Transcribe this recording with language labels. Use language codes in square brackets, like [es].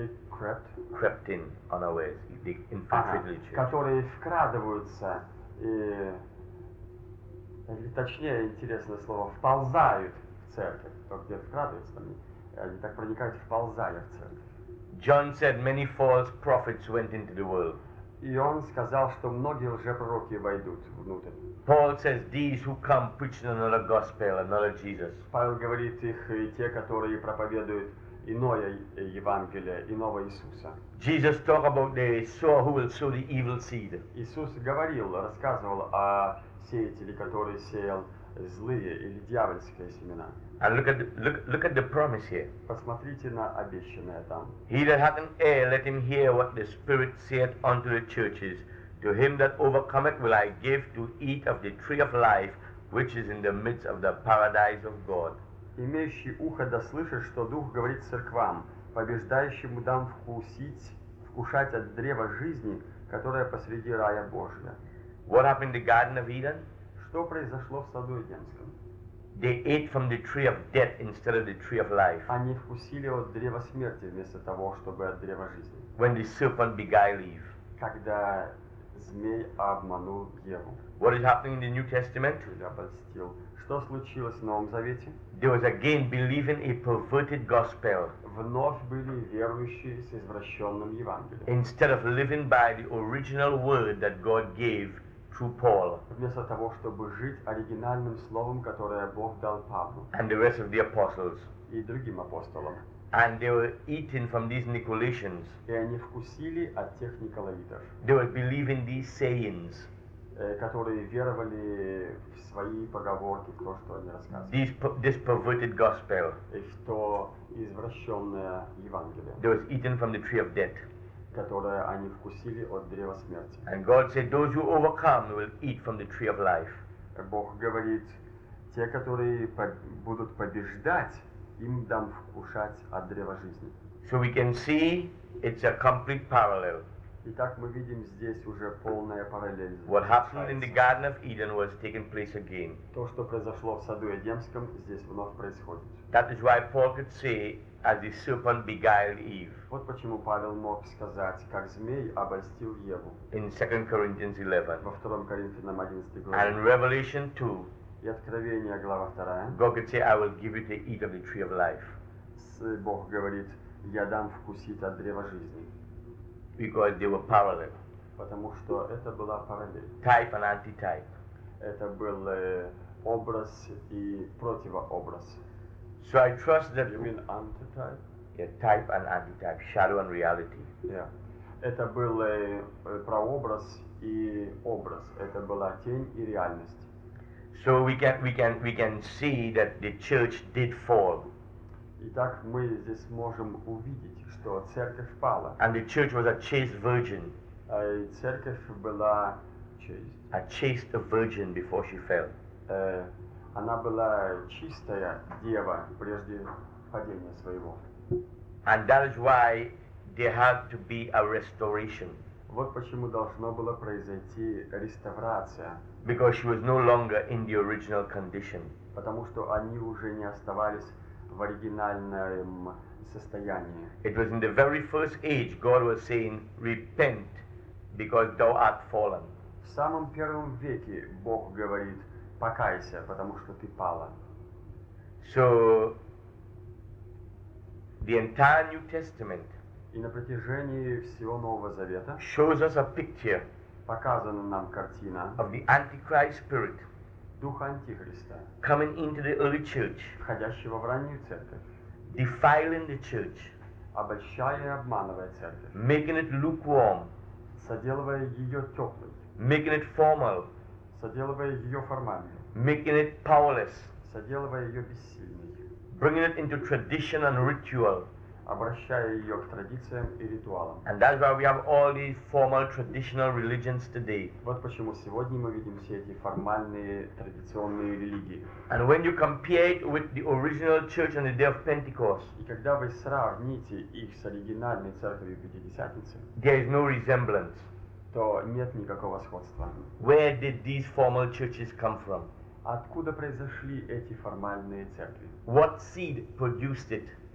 [en] Crept? Crept in unawares. They infiltrated the church. [ru] Которые вкрадываются или точнее, интересное слово, вползают. Церковь, то где вкрадывается, они так проникают, вползая в церковь. [en] John said many false prophets went into the world. [ru] И он сказал, что многие лжепророки войдут внутрь. [en] Paul says these who come preaching another gospel, another Jesus. [ru] Павел говорит их и те, которые проповедуют иное Евангелие, иного Иисуса. [en] Jesus talked about the sower who will sow the evil seed. [ru] Иисус говорил, рассказывал о сеятеле, который сеял злые или дьявольские семена. [en] And look at the promise here. [ru] Посмотрите на обещанное там. [en] He that hath an ear, let him hear what the Spirit saith unto the churches. To him that overcometh will I give to eat of the tree of life, which is in the midst of the paradise of God. [ru] Имеющий ухо да слышит, что Дух говорит церквам, побеждающему дам вкушать от древа жизни, которое посреди рая Божия. [en] What happened in the Garden of Eden? [ru] Что произошло в саду Эдемском? [en] They ate from the tree of death instead of the tree of life. [ru] Они вкусили от древа смерти вместо того, чтобы от древа жизни. [en] When the serpent beguiled Eve. [ru] Когда змей обманул Еву. [en] What is happening in the New Testament? [ru] Обольстил. Что случилось в Новом Завете? [en] There was again believing a perverted gospel. [ru] Вновь были верующие с извращенным Евангелием. [en] Instead of living by the original word that God gave. Through Paul. [ru] Вместо того, чтобы жить оригинальным словом, которое Бог дал Павлу. [en] And the rest of the apostles. [ru] И другим апостолам. [en] And they were eating from these Nicolaitans. [ru] И они вкусили от тех Николаитов. [en] They were believing these sayings. [ru] которые веровали в свои поговорки, в то, что они рассказывали. [en] This perverted gospel. [ru] И в то извращенное Евангелие. [en] They was eaten from the tree of death. [ru] Которое они вкусили от древа смерти. [en] And God said, those who overcome will eat from the tree of life. [ru] Бог говорит, те, которые будут побеждать, им дам вкушать от древа жизни. [en] So we can see it's a complete parallel. [ru] Итак, мы видим здесь уже полная параллель. [en] What happened in the Garden of Eden was taking place again. [ru] То, что произошло в саду Эдемском, здесь вновь происходит. [en] That is why Paul could say, as the serpent beguiled Eve. [ru] Вот почему Павел мог сказать, как змей обольстил Еву. [en] In 2 Corinthians 11. [ru] Во 2 Коринфянам 11 главе. [en] And Revelation 2. [ru] И Откровение глава 2. [en] God could say, I will give you to eat of the tree of life. [ru] Бог говорит, я дам вкусить от древа жизни. [en] Because they were parallel. [ru] Потому что это была параллель. [en] Type and anti-type. [ru] Это был образ и противообраз. [en] So I trust that you mean anti-type? Yeah, type and anti-type, shadow and reality. Yeah. [ru] Это был прообраз и образ. Это была тень и реальность. [en] So we can see that the church did fall. [ru] Итак, мы здесь можем увидеть, что церковь пала. [en] And the church was a chaste virgin. [ru] Церковь была чиста. [en] A chaste virgin before she fell. [ru] Она была чистая дева прежде падения своего. [en] And that is why there had to be a restoration. [ru] Вот почему должно было произойти реставрация. [en] Because she was no longer in the original condition. [ru] Потому что они уже не оставались в оригинальном состоянии. [en] It was in the very first age God was saying, repent, because thou art fallen. [ru] В самом первом веке Бог говорит, покайся, потому что ты пала. [en] So, the entire New Testament [ru] и на протяжении всего Нового Завета [en] shows us a picture [ru] показана нам картина [en] of the Antichrist spirit [ru] Духа Антихриста, [en] coming into the early church, [ru] входящего в раннюю церковь, [en] defiling the church, [ru] обольщая и обманывая церковь, [en] making it lukewarm, [ru] соделывая ее теплой, [en] making it formal, [ru] соделывая ее формальной, [en] making it powerless, [ru] соделывая ее бессильной, [en] bringing it into tradition and ritual, [ru] обращая ее к традициям и ритуалам. [en] And that's why we have all these formal traditional religions today. [ru] Вот почему сегодня мы видим все эти формальные традиционные религии. [en] And when you compare it with the original church on the day of Pentecost, [ru] и когда вы сравните их с оригинальной церковью Пятидесятницы, [en] there is no resemblance. [ru] То нет никакого сходства. [en] Where did these formal churches come from? [ru] Откуда произошли эти формальные церкви? [en] What seed produced it?